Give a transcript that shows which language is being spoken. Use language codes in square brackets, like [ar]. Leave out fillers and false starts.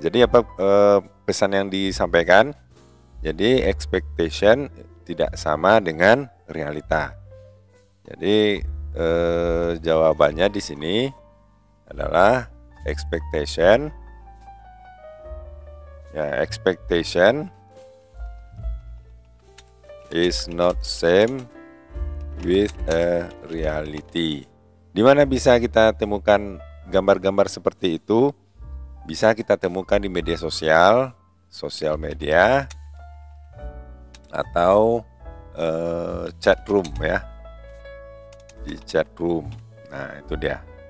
[id] Jadi apa pesan yang disampaikan? Jadi expectation tidak sama dengan realita. Jadi jawabannya di sini adalah expectation. [en] Ya, expectation is not same with a reality. [id] Di mana bisa kita temukan gambar-gambar seperti itu? Bisa kita temukan di media sosial, sosial media, atau chat room ya. Di chat room. Nah, itu dia.